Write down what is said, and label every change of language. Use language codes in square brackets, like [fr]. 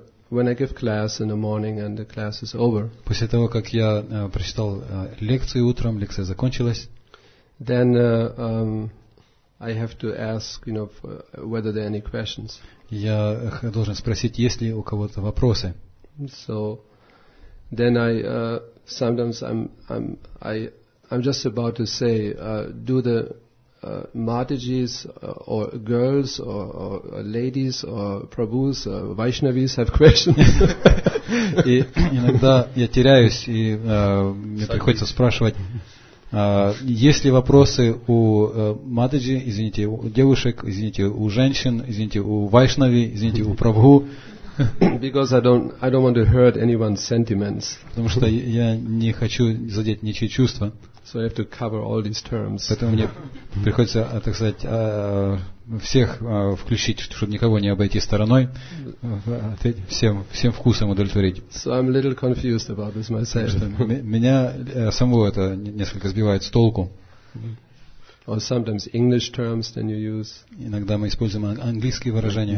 [en] When I give class in the morning and the class is over. [ru] После того, как я прочитал лекцию утром, лекция закончилась. [en] Then I have to ask, whether there are any questions. [ru] Я должен спросить, есть ли у кого-то вопросы. [en] So then I'm just about to say, do the Matajis or girls or ladies or Prabhus, Vaishnavis have questions. [ru] И иногда я теряюсь, и мне приходится спрашивать, есть ли вопросы у Матаджи, извините, у девушек, извините, у женщин, извините, у Вайшнави, извините, у Прабху. [en] Because I don't want to hurt anyone's sentiments. [ru] Потому что я не хочу задеть ничьи чувства. [en] So I have to cover all these terms. [ru] Поэтому мне приходится, так сказать, всех включить, чтобы никого не обойти стороной, всем вкусом удовлетворить. [en] So I'm a little confused about this myself. [ru] Меня самого это несколько сбивает с толку. [en] Or sometimes English terms that you use. [ru] Иногда мы используем английские выражения.